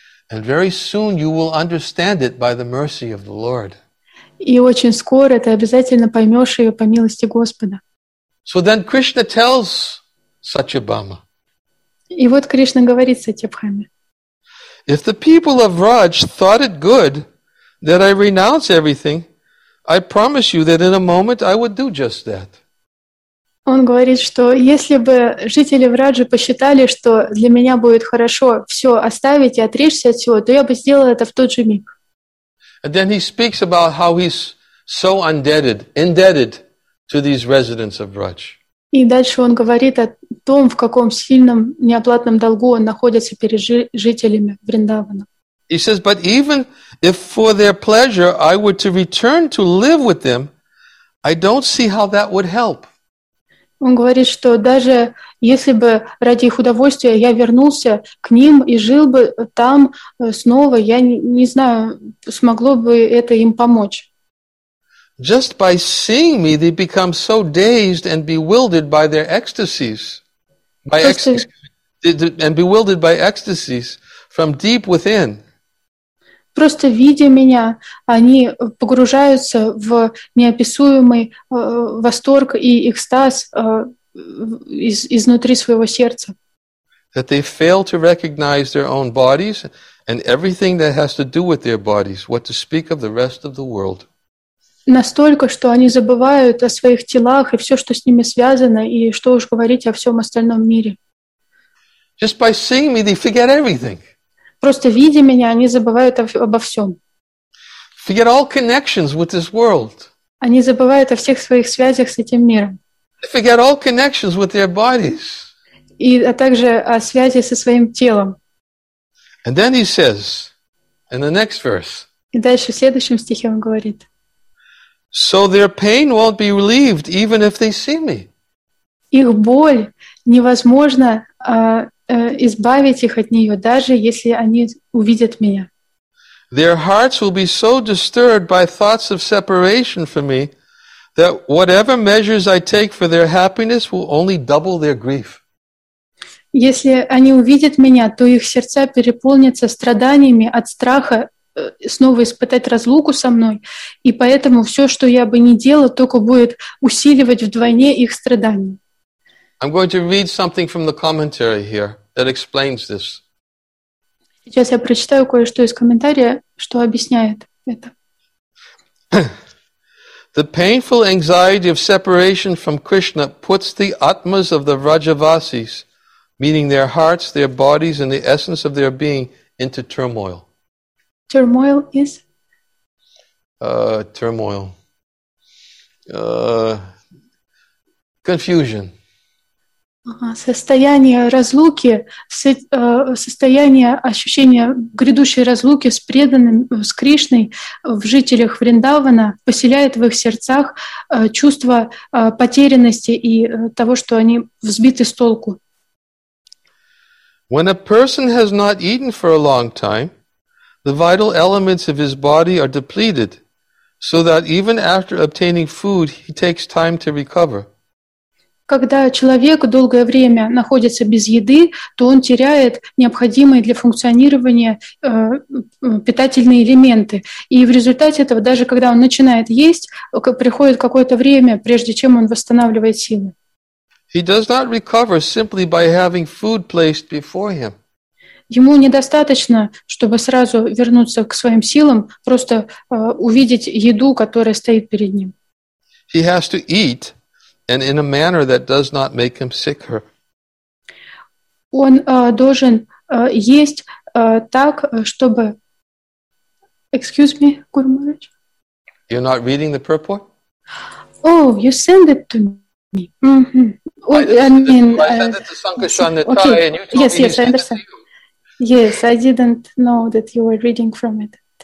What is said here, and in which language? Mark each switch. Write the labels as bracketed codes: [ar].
[en] And very soon you will understand it by the mercy of the Lord. [ru] И очень скоро ты обязательно поймешь ее по милости Господа. [en] So then Krishna tells Сатьябхама. [ru] И вот Кришна говорит Сатьябхаме. [en] If the people of Raj thought it good that I renounce everything, I promise you that in a moment I would do just that. [ru] Он говорит, что если бы жители Враджи посчитали, что для меня будет хорошо все оставить и отречься от всего, то я бы сделал это в тот же миг. [en] And then he speaks about how he's so indebted to these residents of Braj. [ru] И дальше он говорит о том, в каком сильном неоплатном долгу он находится перед жителями Вриндавана. [en] He says, but even if for their pleasure I were to return to live with them, I don't see how that would help. [ru] Он говорит, что даже если бы ради их удовольствия я вернулся к ним и жил бы там снова, я не знаю, смогло бы это им помочь. [en] Just by seeing me, they become so dazed and bewildered by their ecstasies. And bewildered by ecstasies from deep within. [ru] Просто видя меня, они погружаются в неописуемый восторг и экстаз изнутри своего сердца. [en] That they fail to recognize their own bodies and everything that has to do with their bodies, what to speak of the rest of the world. [ru] Настолько, что они забывают о своих телах и все, что с ними связано, и что уж говорить о всем остальном мире. [en] Just by seeing me, they forget everything. [ru] Просто видя меня, они забывают обо всем. [en] Forget all connections with this world. [ru] Они забывают о всех своих связях с этим миром. [en] They forget all connections with their bodies. [ru] И, а также о связи со своим телом. [en] And then he says, in the next verse, [ru] и дальше в следующем стихе он говорит, [en] so their pain won't be relieved, even if they see me. [ru] Их боль невозможно избавить их от нее, даже если они увидят меня. [en] Their hearts will be so disturbed by thoughts of separation from me that whatever measures I take for their happiness will only double their grief. [ru] Если они увидят меня, то их сердца переполнятся страданиями от страха снова испытать разлуку со мной, и поэтому все, что я бы ни делал, только будет усиливать вдвойне их страдания. [en] I'm going to read something from the commentary here that explains this. [ru] Сейчас я прочитаю кое-что из комментария, что объясняет это. [en] The painful anxiety of separation from Krishna puts the atmas of the Rajavasis, meaning their hearts, their bodies, and the essence of their being, into turmoil. Turmoil is? Turmoil. Confusion. [ru] Состояние разлуки, состояние ощущения грядущей разлуки с преданным, с Кришной в жителях Вриндавана поселяет в их сердцах чувство потерянности и того, что они взбиты с толку. [en] When a person has not eaten for a long time, the vital elements of his body are depleted, so that even after obtaining food, he takes time to recover. [ru] Когда человек долгое время находится без еды, то он теряет необходимые для функционирования питательные элементы. И в результате этого, даже когда он начинает есть, приходит какое-то время, прежде чем он восстанавливает силы. [en] He does not recover simply by having food placed before him. [ru] Ему недостаточно, чтобы сразу вернуться к своим силам, просто увидеть еду, которая стоит перед ним. [en] He has to eat. And in a manner that does not make him sicker. [ru] Он должен есть так, чтобы... [en] Excuse me, Guru Maharaj. You're not reading the purport? Oh, you send it to me. Mm-hmm. I sent it to Sankarshan, and you told me I understand. Yes, I didn't know that you were reading from it.